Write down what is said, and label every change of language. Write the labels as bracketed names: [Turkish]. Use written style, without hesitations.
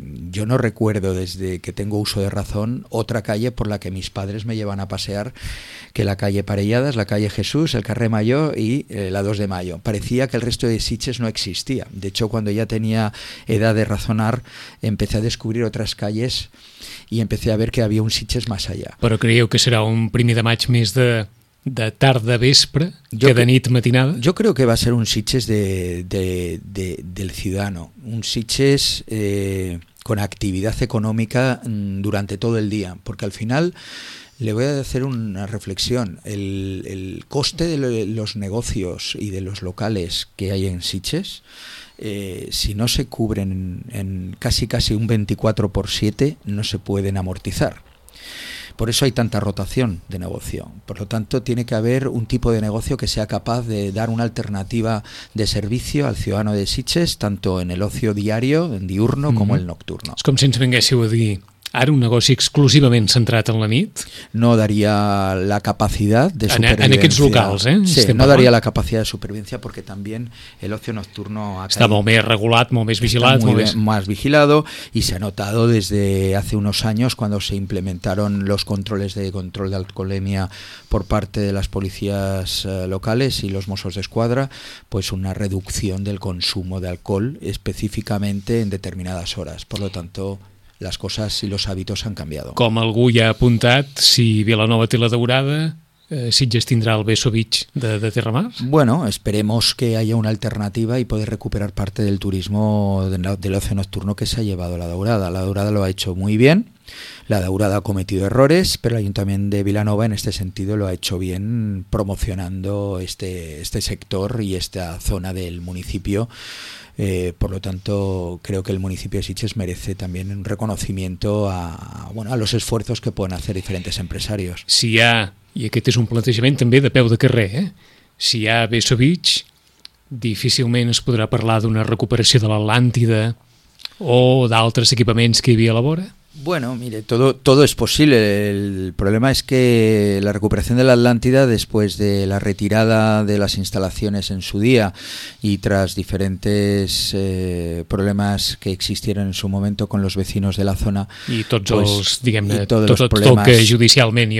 [Spanish] Yo no recuerdo, desde que tengo uso de razón, otra calle por la que mis padres me llevan a pasear que la calle Parelladas, la calle Jesús, el carrer Major y la 2 de mayo. Parecía que el resto de Sitges no existía. De hecho, cuando ya tenía edad de razonar, empecé a descubrir otras calles y empecé a ver que había un Sitges más allá. Pero creo que será un [Catalan] 1 de maig més de tarda vespre que de nit matinada. [Spanish] Yo creo que va a ser un Sitges del ciudadano, un Sitges con actividad económica durante todo el día, porque al final le voy a hacer una reflexión: el coste de los negocios y de los locales que hay en Sitges, si no se cubren en casi un 24/7, no se pueden amortizar. Por eso hay tanta rotación de negocio. Por lo tanto, tiene que haber un tipo de negocio que sea capaz de dar una alternativa de servicio al ciudadano de Sitges, tanto en el ocio diario, en diurno, como el nocturno. [Catalan] És com si ens vinguéssiu a dir, ara un negoci exclusivament centrat en la nit. No daria la capacitat de supervivència. En aquests locals, Sí, no daria la capacitat de supervivència perquè també [Spanish] el ocio nocturno [Catalan] ha caigut. Està molt més regulat, molt més vigilat. [Spanish] Más vigilado y se ha notado desde hace unos años cuando se implementaron los controles de control de alcoholemia por parte de las policías locales y los Mossos de Escuadra, pues una reducción del consumo de alcohol específicamente en determinadas horas. Por lo tanto... [Catalan] les coses i els hàbits han canviat. Com algú ja ha apuntat, si Vilanova té la daurada, Sitges tindrà el Beso Beach de Terramar? [Spanish] Bueno, esperemos que haya una alternativa y poder recuperar parte del turismo del ocio nocturno que se ha llevado la daurada. La daurada lo ha hecho muy bien, la daurada ha cometido errores, pero el Ayuntamiento de Vilanova en este sentido lo ha hecho bien promocionando este sector y esta zona del municipio. Por lo tanto, creo que el municipio de Sitges merece también un reconocimiento a los esfuerzos que pueden hacer diferentes empresarios. [Catalan] Si hi ha, i aquest és un plantejament també de peu de carrer, si hi ha Beso Beach, difícilment es podrà parlar d'una recuperació de l'Atlàntida o d'altres equipaments que hi havia a la vora? [Spanish] Bueno, mire, todo es posible. El problema es que la recuperación de la Atlántida, después de la retirada de las instalaciones en su día y tras diferentes problemas que existieron en su momento con los vecinos de la zona y todos los problemas judicialmente